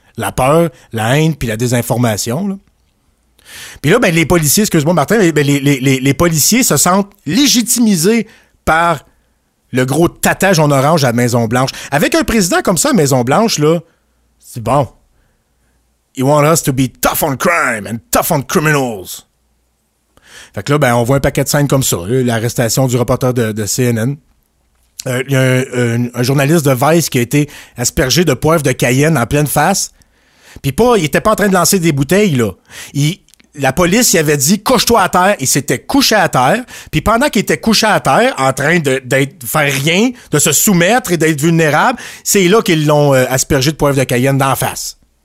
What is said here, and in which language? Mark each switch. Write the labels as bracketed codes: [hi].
[fr] La peur, la haine, puis la désinformation, là. Puis là, ben, les policiers, excuse-moi, Martin, ben, les policiers se sentent légitimisés par le gros tatage en orange à Maison-Blanche. Avec un président comme ça à Maison-Blanche, là, c'est bon. [en] You want us to be tough on crime and tough on criminals. [fr] Fait que là, ben, on voit un paquet de scènes comme ça. L'arrestation du reporter de CNN. Il y a un journaliste de Vice qui a été aspergé de poivre de Cayenne en pleine face. Puis pas, il était pas en train de lancer des bouteilles, là. la police, il avait dit « couche-toi à terre », il s'était couché à terre, puis pendant qu'il était couché à terre, en train de faire rien, de se soumettre et d'être vulnérable, c'est là qu'ils l'ont aspergé de poivre de Cayenne d'en face.